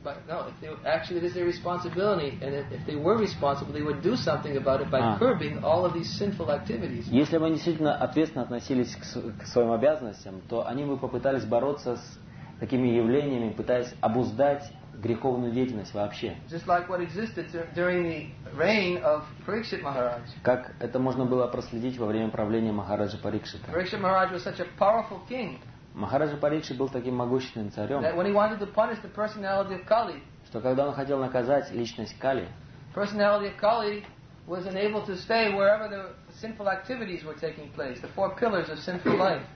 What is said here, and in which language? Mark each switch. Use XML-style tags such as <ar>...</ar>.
<en>But no, if they, actually it is their responsibility, and if they were responsible, they would do something about it by curbing all of these sinful activities.</en> <ru>Если бы они действительно ответственно относились к своим обязанностям, то они бы попытались бороться с такими явлениями, пытаясь обуздать греховную деятельность вообще.</ru> <en>Just like what existed during the reign of Parikshit Maharaj.</en> <ru>Как это можно было проследить во время правления Махараджи Парикшита?</ru> <en>Parikshit Maharaj was such a powerful king.</en> <ru>Махараджа Парикшит был таким могущественным царем.</ru> <en>That when he wanted to punish the personality of Kali.</en> <ru>Что когда он хотел наказать личность Кали.</ru> <en>Personality of Kali was unable to stay wherever the sinful activities were taking place, the four pillars of sinful life.</en>